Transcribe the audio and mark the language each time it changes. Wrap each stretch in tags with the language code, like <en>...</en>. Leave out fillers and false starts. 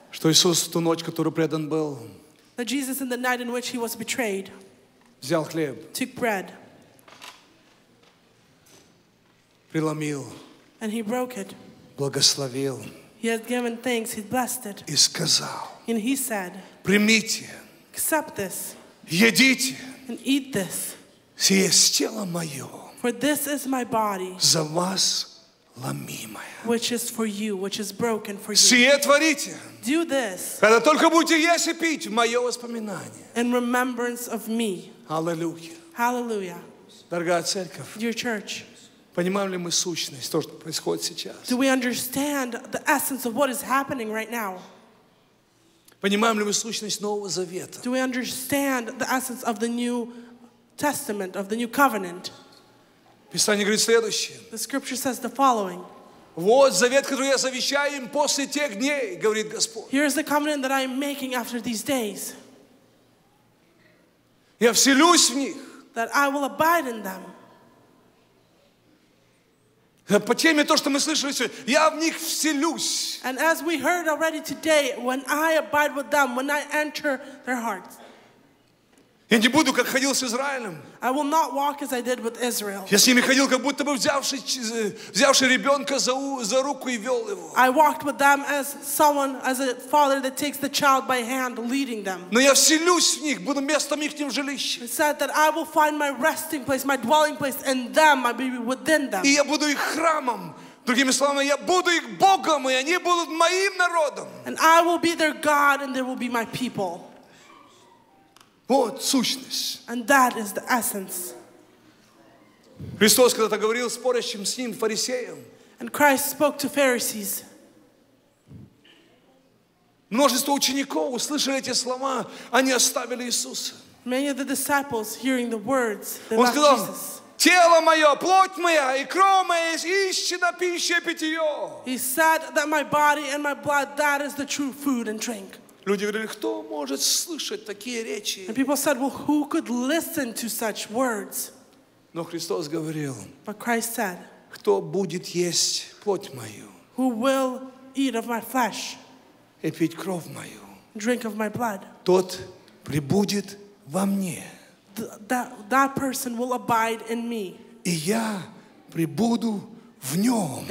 <ru>что Иисус в ту ночь, которую предан был,</ru> <en>that Jesus in the night in which he was betrayed,</en> <ru>взял хлеб,</ru> <en>took bread,</en> <ru>преломил,</ru> <en>and he broke it,</en> <ru>благословил,</ru> <en>he had given thanks, he blessed it,</en> <ru>и сказал,</ru> <en>and he said,</en> <ru>примите,</ru> <en>accept this,</en> <ru>едите,</ru> <en>and eat this,</en> <ru>сие есть тело мое,</ru> <en>for this is my body,</en> <ru>за вас ломимое,</ru> <en>which is for you, which is broken for you.</en> <ru>Сие творите,</ru> <en>do this,</en> <ru>когда только будете есть и пить, в мое воспоминание,</ru> <en>in remembrance of me. Hallelujah. Hallelujah.</en> <ru>Дорогая церковь,</ru> <en>dear church,</en> <ru>понимаем ли мы сущность того, что происходит сейчас?</ru> <en>Do we understand the essence of what is happening right now?</en> <ru>Понимаем ли мы сущность Нового Завета?</ru> <en>Do we understand the essence of the New Testament, of the New Covenant?</en> <ru>Писание говорит следующее.</ru> <en>The scripture says the following.</en> <ru>Вот завет, который я завещаю им после тех дней, говорит Господь.</ru> <en>Here is the covenant that I am making after these days.</en> <ru>Я вселюсь в них.</ru> <en>That I will abide in them.</en> <ru>По теме то, что мы слышали сегодня, я в них вселюсь.</ru> <en>And as we heard already today, when I abide with them, when I enter their hearts.</en> <ru>Я не буду, как ходил с Израилем.</ru> <en>I will not walk as I did with Israel.</en> <ru>Я с ними ходил, как будто бы взявший ребенка за руку и вел его.</ru> <en>I walked with them as someone, as a father that takes the child by hand, leading them.</en> <ru>Но я вселюсь в них, буду местом ихним жилищем.</ru> <en>It said that I will find my resting place, my dwelling place in them, I will be within them.</en> <ru>И я буду их храмом. Другими словами, я буду их Богом, и они будут моим народом.</ru> <en>And I will be their God, and they will be my people.</en> <ru>Вот сущность.</ru> <en>And that is the essence.</en> <ru>Христос когда-то говорил спорящим с ним фарисеям.</ru> <en>And Christ spoke to Pharisees.</en> <ru>Множество учеников услышали эти слова, они оставили Иисуса.</ru> <en>Many of the disciples hearing the words, they left</en> <ru>Jesus. Он сказал: «Тело мое, плоть моя и кровь моя есть истинно пища и питье».</ru> <en>He said that my body and my blood, that is the true food and drink.</en> <ru>Люди говорили, кто может слышать такие речи?</ru> <en>And people said, well, who could listen to such words?</en> <ru>Но Христос говорил,</ru> <en>but Christ said,</en> <ru>кто будет есть плоть мою?</ru> <en>Who will eat of my flesh?</en> <ru>И пить кровь мою?</ru> <en>Drink of my blood?</en> <ru>Тот пребудет во мне.</ru> <en>That person will abide in me.</en> <ru>И я пребуду в нем.</ru>